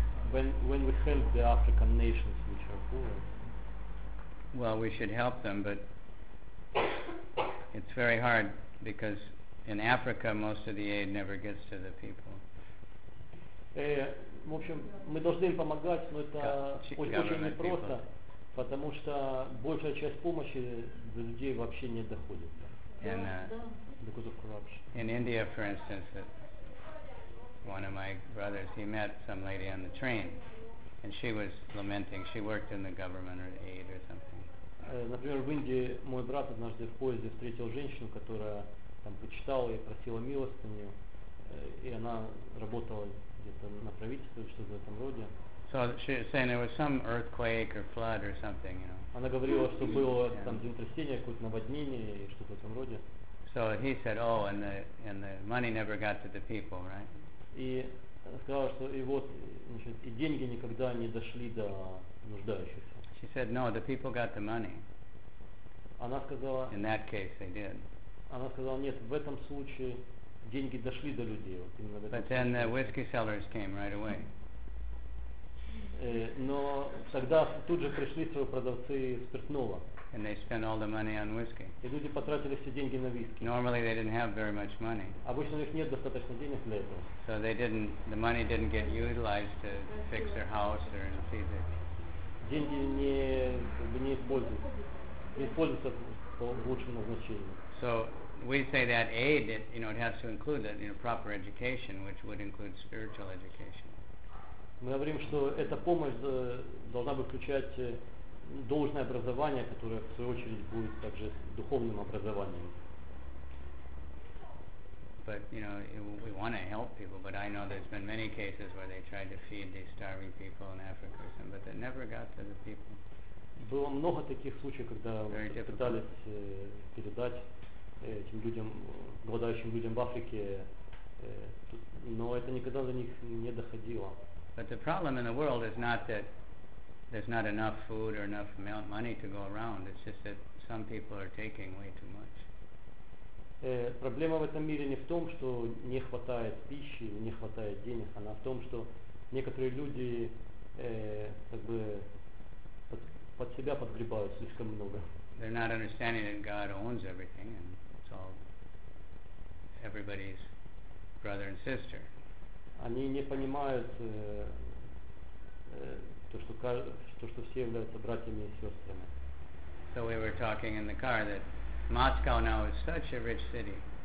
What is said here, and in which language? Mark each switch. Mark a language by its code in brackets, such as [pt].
[en] When we help the African nations which are poor. Well, we should help them, but it's very hard because in Africa most of the aid never gets to the people. [ru] В общем, мы должны им помогать, но это очень непросто. Потому что большая часть помощи для людей вообще не доходит. [en] Because of corruption. In India, for instance, one of my brothers, he met some lady on the train, and she was lamenting. She worked in the government or aid or something. [ru] Например, в Индии мой брат однажды в поезде встретил женщину, которая там почитала и просила милостыню, и она работала где-то на правительстве или что-то в этом роде. [en] So she was saying there was some earthquake or flood or something, you know. [ru] Она говорила, что было там землетрясение, какое-то наводнение и что-то в этом роде. [en] So he said, oh, and the money never got to the people, right? [ru] И сказала, что и вот, значит, и деньги никогда не дошли до нуждающихся. [en] She said, no, the people got the money. [ru] Она сказала. [en] In that case, they did. [ru] Она сказала, нет, в этом случае деньги дошли до людей. Вот именно в этом. [en] But then the whiskey sellers came right away. [ru] Но тогда тут же пришли свои продавцы спиртного. [en] And they spent all the money on whiskey. [ru] И люди потратили все деньги на виски. [en] Normally they didn't have very much money. [ru] Обычно у них нет достаточно денег для этого. [en] So they didn't, the money didn't get utilized to fix their house or to feed their. [ru] Деньги не используются по лучшему назначению. [en] So we say that aid, it, you know, it has to include that, you know, proper education, which would include spiritual education. [ru] Мы говорим, что эта помощь должна бы включать должное образование, которое в свою очередь будет также духовным образованием. [en] but you know, we want to help people. But I know there's been many cases where they tried to feed these starving people in Africa, but they never got to the people. [ru] Было много таких случаев, когда пытались передать этим людям, голодающим людям в Африке, но это никогда до них не доходило. [en] But the problem in the world is not that there's not enough food or enough money to go around. It's just that some people are taking way too much. [ru] Проблема в этом мире не в том, что не хватает пищи, не хватает денег, она в том, что некоторые люди как бы под себя подгребают слишком много. [en] They're not understanding that God owns everything and it's all everybody's brother and sister. [ru] Они не понимают то, что все являются братьями и сестрами. [en] So we were talking in the car that Moscow now is such a rich city.